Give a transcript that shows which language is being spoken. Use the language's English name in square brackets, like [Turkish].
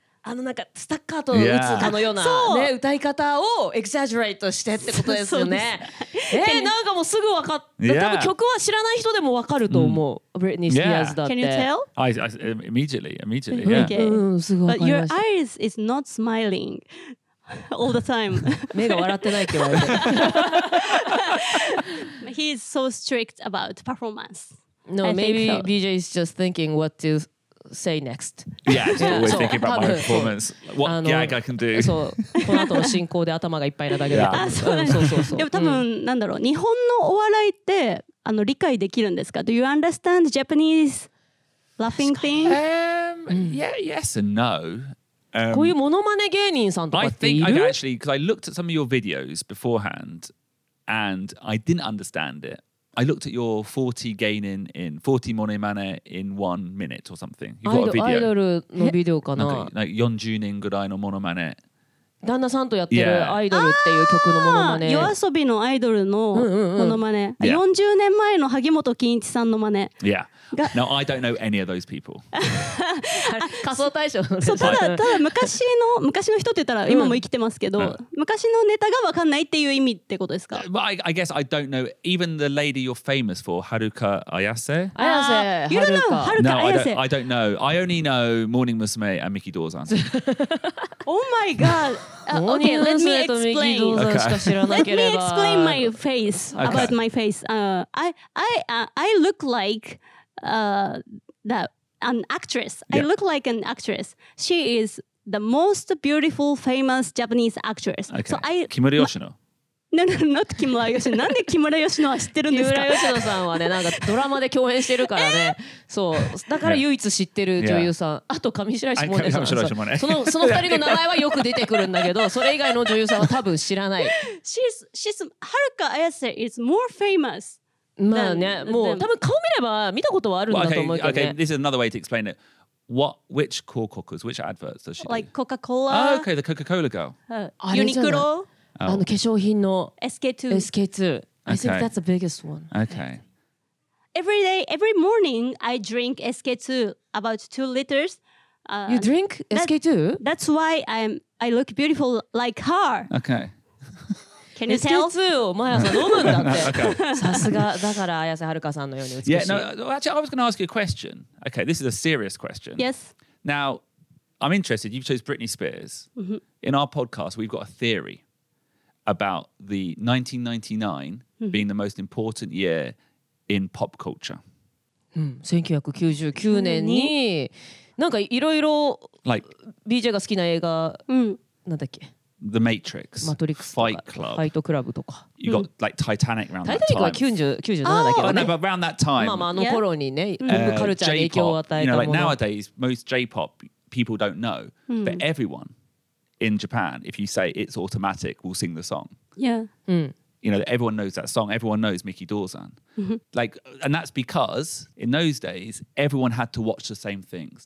[Japanese] あのなんかスタッカートを打つかのような、ね、歌い方をエクサジュレートしてってことですよね。なんかもうすぐ分かった。 [English] Yeah. [Japanese] 多分曲は知らない人でも分かると思う。 Britney Spears だって。 [English] Can you tell? Immediately, yeah. Okay. [Japanese] すぐ分かりました。 [English] But your eyes is not smiling all the time. [Japanese] 目が笑ってないって言われ [English] て。He's so strict about performance. No, I maybe think so. BJ is just thinking what to say next. Yeah, he's always so, thinking about my performance. What gag I can do. [Japanese] So, この後の進行で頭がいっぱいなだけだ。そうなんです。でも多分、なんだろう、日本のお笑いって理解できるんですか? [English] Do you understand Japanese laughing thing? Yeah, yes and no. [Japanese] こういうモノマネ芸人さんとかっている? [English] I think, actually, because I looked at some of your videos beforehand and I didn't understand it. I looked at your 40 gaining in 40 monemane in 1 minute or something. You've got a video. [Japanese] アイドルのビデオかな? Like 40人ぐらいのモノマネ。旦那さんとやってるアイドルっていう曲のモノマネ。夜遊びのアイドルのモノマネ。40年前の萩本欽一さんのマネ。 [English] Yeah. Now I don't know any of those people. [Japanese] 仮想大賞そう、ただ昔の人って言ったら今も生きてますけど、昔のネタが分かんないっていう意味ってことですか? [English] But I guess I don't know even the lady you're famous for, Haruka Ayase? Ayase, Haruka. You don't know Haruka Ayase? No, I don't know. I only know Morning Musume and Miki Dorzan. Oh my god. Okay, let me explain. Let me explain my face, about my face. I look like... an actress. Yeah. I look like an actress. She is the most beautiful, famous Japanese actress. Okay. So I, Kimura Yoshino? No, not Kimura Yoshino. [Japanese] なんで Kimura Yoshino は知ってるんですか? Kimura Yoshino さんはね、なんかドラマで共演してるからね。そう。だから唯一知ってる女優さん。あと上白石萌音さん。その二人の名前はよく出てくるんだけど、それ以外の女優さんは多分知らない。 [English] She's Haruka Ayase is more famous. [Japanese] まあね、もう多分顔見れば見たことはあるんだと思うけどね。 [English] Well, okay, this is another way to explain it. Which Coca-Cola's, which adverts does she do? Like Coca-Cola? Oh, okay, the Coca-Cola girl. Uniqlo? あの化粧品の SK-2. SK-2. I think that's the biggest one. Okay. Every day, every morning, I drink SK-2 about 2 liters. You drink SK-2? That's why I look beautiful like her. Okay. Can you tell? [Japanese] SK2 をマヤさん飲むんだって。さすがだから綾瀬はるかさんのように美しい。 [English] Yeah, no, actually, I was going to ask you a question. Okay, this is a serious question. Yes. Now, I'm interested. You've chose Britney Spears. In our podcast, we've got a theory about the 1999 being the most important year in pop culture. [Japanese] 1999年になんかいろいろ [English] like [Japanese] BJ が好きな映画なんだっけ。 [English] The Matrix, Matrix Fight Club, [Japanese] Fight Club とか。 [English] You got like Titanic around that time. [Japanese] Titanic は97だけどね。 [English] Oh, no, but around that time. [Japanese] まあまああの頃にね、yeah. カルチャーに影響を与えたもの。 [English] You know, like nowadays, most J-pop people don't know, but everyone in Japan, if you say it's automatic, will sing the song. Yeah. You know, everyone knows that song. Everyone knows Mickey Dorsan. Like, and that's because in those days, everyone had to watch the same things.